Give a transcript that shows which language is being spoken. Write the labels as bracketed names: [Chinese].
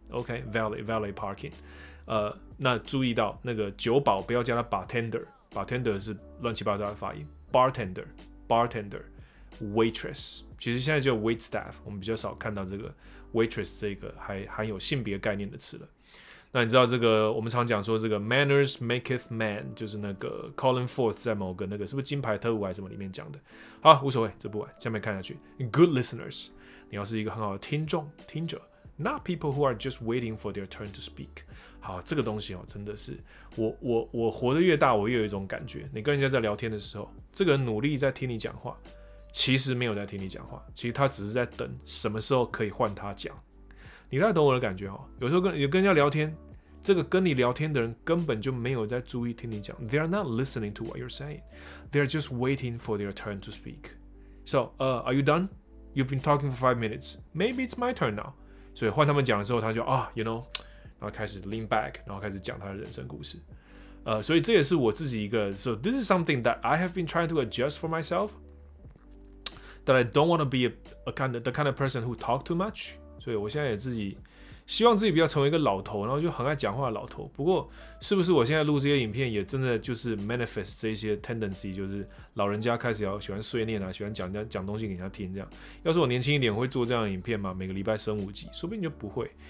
[Chinese] OK，valet valet parking。 那注意到那个酒保不要叫他 bartender，bartender 是乱七八糟的发音 ，bartender，waitress， 其实现在就 waitstaff， 我们比较少看到这个 waitress 这个还含有性别概念的词了。那你知道这个我们常讲说这个 [English] manners maketh man， [Chinese] 就是那个 Colin Firth 在某个那个是不是金牌特务还是什么里面讲的。好，无所谓，这不管，下面看下去。 [English] Good listeners， [Chinese] 你要是一个很好的听众听者， [English] not people who are just waiting for their turn to speak。 [Chinese] 好，这个东西、哦、真的是我活得越大，我越有一种感觉，你跟人家在聊天的时候，这个人努力在听你讲话，其实没有在听你讲话，其实他只是在等什么时候可以换他讲。你大概懂我的感觉、哦、有时候跟人家聊天，这个跟你聊天的人根本就没有在注意听你讲 ， [English] They are not listening to what you're saying. They are just waiting for their turn to speak. So, are you done? You've been talking for 5 minutes. Maybe it's my turn now. [Chinese] 所以换他们讲的时候，他就啊、you know， 然后开始 lean back， 然后开始讲他的人生故事。所以这也是我自己一个 [English] ，So this is something that I have been trying to adjust for myself. That I don't want to be the kind of person who talk too much. [Chinese] 所以我现在也自己希望自己不要成为一个老头，然后就很爱讲话的老头。不过是不是我现在录这些影片也真的就是 manifest 这些 tendency， 就是老人家开始要喜欢碎念啊，喜欢讲东西给人家听这样。要是我年轻一点会做这样的影片吗？每个礼拜升五级，说不定就不会。